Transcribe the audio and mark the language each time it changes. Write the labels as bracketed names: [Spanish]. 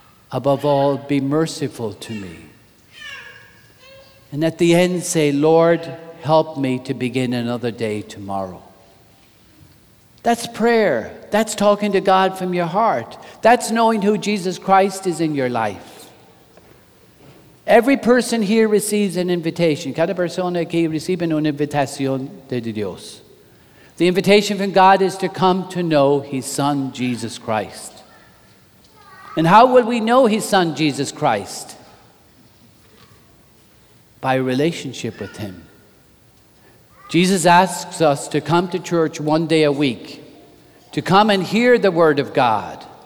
[English] Above all, be merciful to me. And at the end, say, Lord, help me to begin another day tomorrow. That's prayer. That's talking to God from your heart. That's knowing who Jesus Christ is in your life. Every person here receives an invitation. [Spanish] Cada persona aquí recibe una invitación de Dios. [English] The invitation from God is to come to know His Son, Jesus Christ. And how will we know His Son, Jesus Christ? By a relationship with Him. Jesus asks us to come to church one day a week, to come and hear the Word of God.